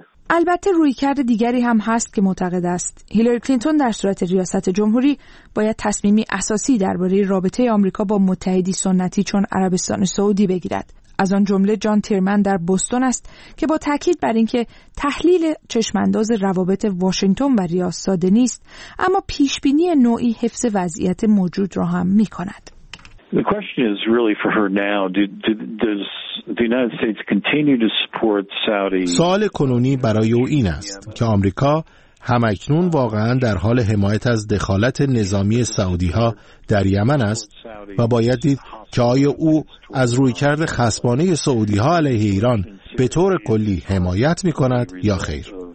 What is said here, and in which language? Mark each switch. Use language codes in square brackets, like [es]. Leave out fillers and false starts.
[fa] البته رویکرد دیگری هم هست که معتقد است هیلاری کلینتون در صورت ریاست جمهوری باید تصمیمی اساسی درباره رابطه آمریکا با متحدی سنتی چون عربستان سعودی بگیرد. از آن جمله جان تیرمن در بوستون است که با تاکید بر اینکه تحلیل چشمانداز روابط واشنگتن و ریاض ساده نیست، اما پیش بینی نوعی حفظ وضعیت موجود را هم می کند. [en] The question is really for her now. Does the United States continue to support Saudi? [fa] سوال کنونی برای او این است که آمریکا هم اکنون واقعا در حال حمایت از دخالت نظامی سعودی ها در یمن است و باید دید که آیا او از رویکرد خصمانه سعودی ها علیه ایران به طور کلی حمایت می کند یا خیر.